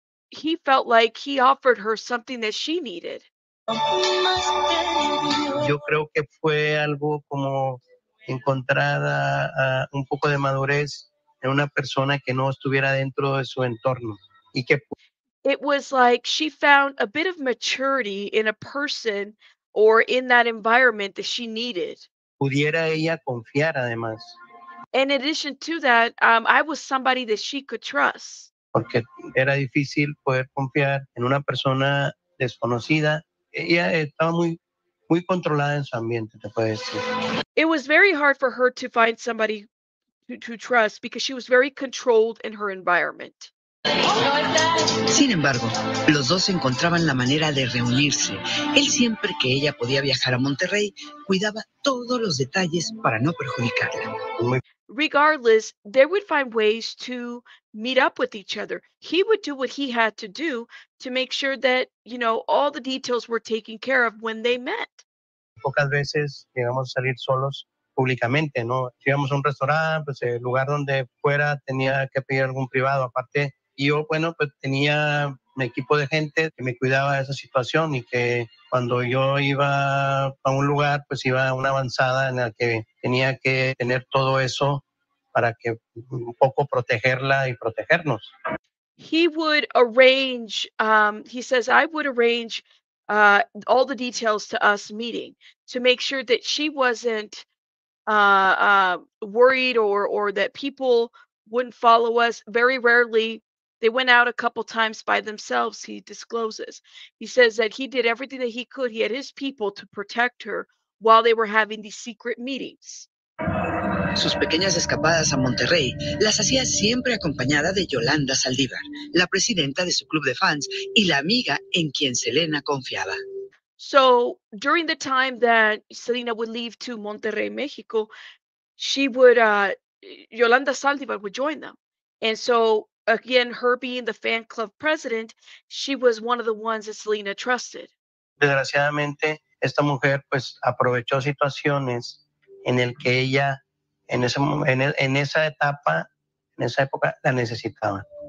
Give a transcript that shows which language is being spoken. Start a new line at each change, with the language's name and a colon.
English: He felt like he offered her something that she needed.
Spanish: Yo creo que fue algo como encontrada un poco de madurez en una persona que no estuviera dentro de su entorno. Y que
English: it was like she found a bit of maturity in a person or in that environment that she needed.
Spanish: Pudiera ella confiar además.
English: In addition to that, I was somebody that she could trust.
Spanish: Porque era difícil poder confiar en una persona desconocida. Ella estaba muy, muy controlada en su ambiente, te puedo decir.
English: It was very hard for her to find somebody to trust because she was very controlled in her environment.
Spanish: Sin embargo, los dos encontraban la manera de reunirse. Él, siempre que ella podía viajar a Monterrey, cuidaba todos los detalles para no perjudicarla.
English: Regardless, they would find ways to meet up with each other. He would do what he had to do to make sure that, you know, all the details were taken care of when they met.
Spanish: Pocas veces llegamos a salir solos públicamente, ¿no? Si íbamos a un restaurante, pues el lugar donde fuera tenía que pedir algún privado aparte. Y yo, bueno, pues tenía mi equipo de gente que me cuidaba de esa situación y que cuando yo iba a un lugar, pues iba a una avanzada en la que tenía que tener todo eso para que un poco protegerla y protegernos.
English: He would arrange, he says, I would arrange all the details to us meeting to make sure that she wasn't worried or that people wouldn't follow us. Very rarely, they went out a couple times by themselves, he discloses. He says that he did everything that he could. He had his people to protect her while they were having these secret meetings.
Spanish: Sus pequeñas escapadas a Monterrey las hacía siempre acompañada de Yolanda Saldivar, la presidenta de su club de fans y la amiga en quien Selena confiaba.
English: So during the time that Selena would leave to Monterrey, Mexico, she would, Yolanda Saldivar would join them. And so, again, her being the fan club president, she was one of the ones that Selena trusted.
Spanish: Desgraciadamente, esta mujer pues aprovechó situaciones en el que ella en esa época la necesitaba.